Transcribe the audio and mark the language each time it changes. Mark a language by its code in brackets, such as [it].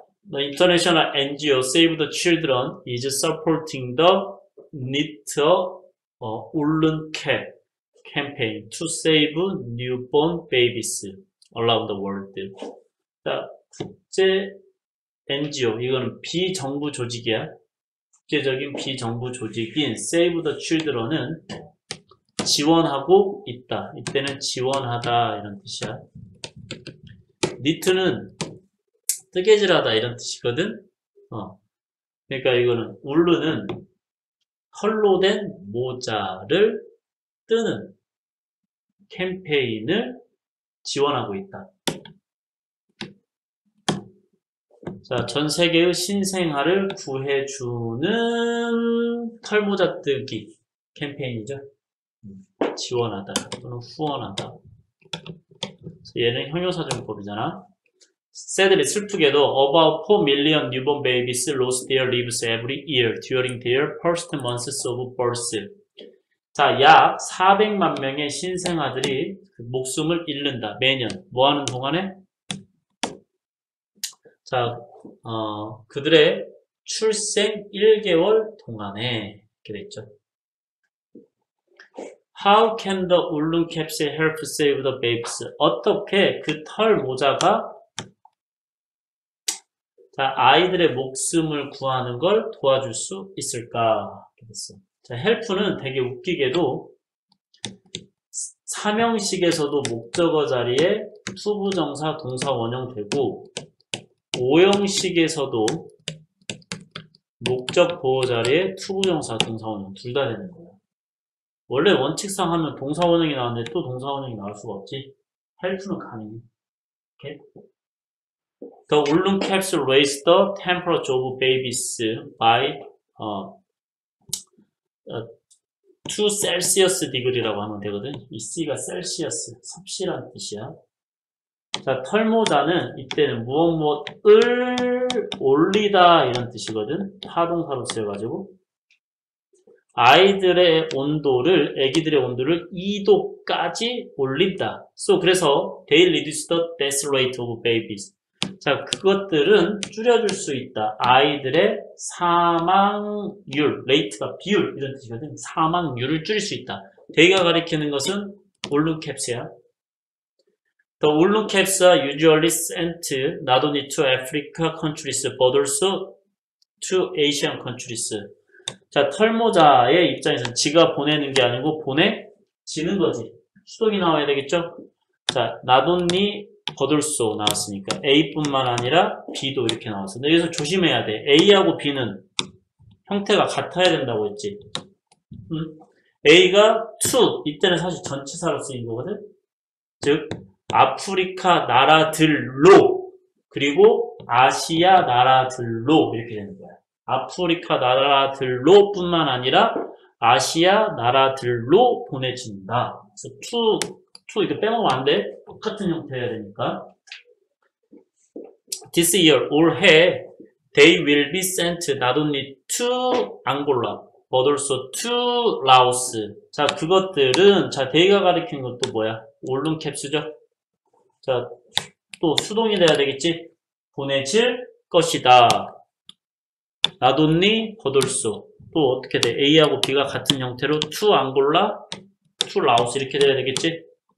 [en] The international NGO Save the Children is supporting the Knit a Woolen Cap campaign to save newborn babies around the world. [ko] 자, 국제 NGO, 이거는 비정부 조직이야. 국제적인 비정부 조직인 Save the Children은 지원하고 있다. 이때는 지원하다 이런 뜻이야. 니트는 뜨개질하다 이런 뜻이거든. 그러니까 이거는 울르는 헐로된 모자를 뜨는 캠페인을 지원하고 있다. 자, 전 세계의 신생아를 구해주는 털모자 뜨기 캠페인이죠. 지원하다 또는 후원한다. 얘는 형용사정법이잖아. [en] Sadly, [ko] 슬프게도 [en] about 4 million newborn babies lost their lives every year during their first months of birth. [ko] 자, 약 400만 명의 신생아들이 목숨을 잃는다. 매년. 뭐 하는 동안에? 자, 그들의 출생 1개월 동안에 이렇게 됐죠. [en] How can the woolen caps help save the babies? [ko] 어떻게 그털 모자가 아이들의 목숨을 구하는 걸 도와줄 수 있을까? 이렇게 됐어. 자, help는 되게 웃기게도 삼형식에서도 목적어 자리에 투부정사 동사 원형 되고 오형식에서도 목적 보호 자리에 투부정사 동사 원형 둘다 되는 거예요. 원래 원칙상 하면 동사 원형이 나왔는데 또 동사 원형이 나올 수가 없지. help는 가능해. 오케이? [en] The woolen caps raise the temperature of babies by 2 Celsius degree [ko] 라고 하면 되거든. 이 C가 Celsius, 섭씨란 뜻이야. 자, 털모자는 이때는 무엇무엇을 올리다 이런 뜻이거든. 타동사로 쓰여가지고 아이들의 온도를, 아기들의 온도를 2도까지 올린다. [en] So [ko] 그래서 [en] they reduce the death rate of babies. [ko] 자, 그것들은 줄여줄 수 있다. 아이들의 사망률, rate가 비율 이런 뜻이거든. 사망률을 줄일 수 있다. 대가 가리키는 것은 울루 캡스야. [en] The woolen caps are usually sent not only to Africa countries, but also to Asian countries. [ko] 자, 털모자의 입장에서는 지가 보내는 게 아니고 보내 지는 거지. 수동이 나와야 되겠죠? 자, not only but also 나왔으니까 A뿐만 아니라 B도 이렇게 나왔어. 근데 여기서 조심해야 돼. A하고 B는 형태가 같아야 된다고 했지. A가 to, 이때는 사실 전치사로 쓰인 거거든. 즉 아프리카 나라들로, 그리고 아시아 나라들로, 이렇게 되는 거야. 아프리카 나라들로 뿐만 아니라 아시아 나라들로 보내진다. 그래서 to 이렇게 빼먹으면 안 돼. 똑같은 형태여야 되니까. [en] This year, [ko] 올해, [en] they will be sent not only to Angola, but also to Laos. [ko] 자, 그것들은, 자, they가 가리키는 것도 뭐야? 올룸 캡스죠? 자, 또 수동이 돼야 되겠지? 보내질 것이다. Not only, 허돌소. 또 어떻게 돼? A하고 B가 같은 형태로 to Angola, to Laos 이렇게 돼야 되겠지?